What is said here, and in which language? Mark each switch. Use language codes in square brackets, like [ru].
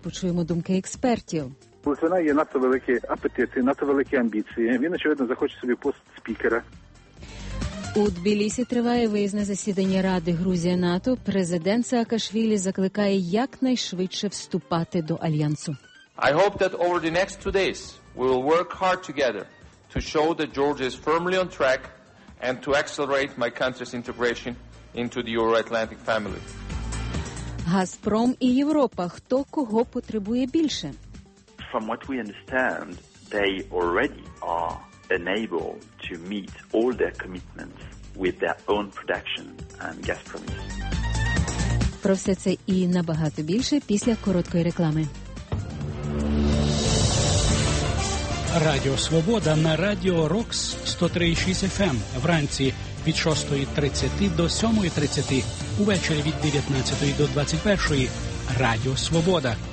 [uk] Почуємо думки експертів. У Литвина є надто великі апетити, надто великі амбіції. Він, очевидно, захоче собі пост спікера. У Тбілісі триває виїзне засідання Ради Грузія-НАТО. Президент Саакашвілі закликає якнайшвидше вступати до альянсу. [en] I hope that over the next 2 days we will work hard together to show that Georgia is firmly on track and to accelerate my country's integration into the Euro-Atlantic family. [uk] Газпром і Європа, хто кого потребує більше? [en] From what we understand, they already are unable to meet all their commitments with their own production and gas promises. [uk] Про все це і набагато більше після короткої реклами. Радіо «Свобода» на радіо «Рокс» 103.6 FM вранці від 6.30 до 7.30, увечері від 19.00 до 21.00. Радіо «Свобода».